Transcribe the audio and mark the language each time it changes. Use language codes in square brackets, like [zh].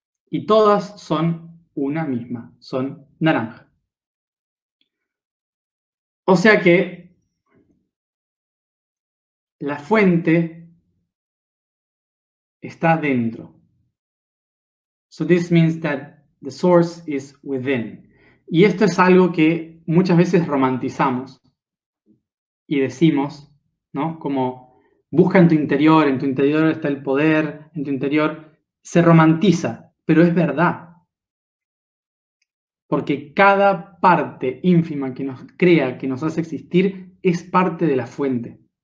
[es] Y todas son una misma, son naranja. O sea que la fuente está dentro. [en] So this means that the source is within. [es] Y esto es algo que muchas veces romantizamos y decimos, ¿no? Como busca en tu interior está el poder, en tu interior se romantiza, pero es verdad. Porque cada parte ínfima que nos crea, que nos hace existir, es parte de la fuente.